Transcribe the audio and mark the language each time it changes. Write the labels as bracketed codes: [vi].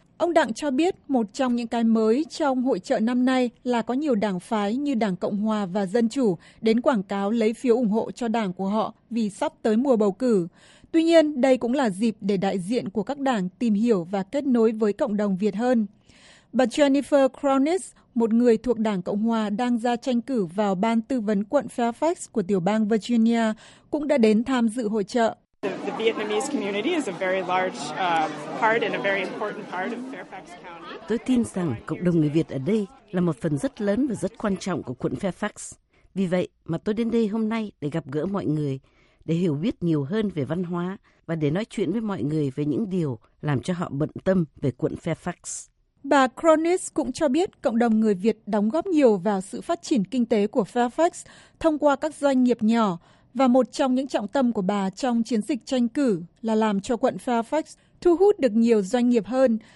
[vi] Ông Đặng cho biết một trong những cái mới trong hội chợ năm nay là có nhiều đảng phái như Đảng Cộng Hòa và Dân Chủ đến quảng cáo lấy phiếu ủng hộ cho đảng của họ vì sắp tới mùa bầu cử. Tuy nhiên, đây cũng là dịp để đại diện của các đảng tìm hiểu và kết nối với cộng đồng Việt hơn. Bà Jennifer Cronis, một người thuộc Đảng Cộng Hòa đang ra tranh cử vào ban tư vấn quận Fairfax của tiểu bang Virginia, cũng đã đến tham dự hội chợ. [en] The Vietnamese community is a very large part and a very important part of Fairfax County. [vi] Tôi tin rằng cộng đồng người Việt ở đây là một phần rất lớn và rất quan trọng của quận Fairfax. Vì vậy mà tôi đến đây hôm nay để gặp gỡ mọi người, để hiểu biết nhiều hơn về văn hóa và để nói chuyện với mọi người về những điều làm cho họ bận tâm về quận Fairfax. Bà Cronis cũng cho biết cộng đồng người Việt đóng góp nhiều vào sự phát triển kinh tế của Fairfax thông qua các doanh nghiệp nhỏ, và một trong những trọng tâm của bà trong chiến dịch tranh cử là làm cho quận Fairfax thu hút được nhiều doanh nghiệp hơn.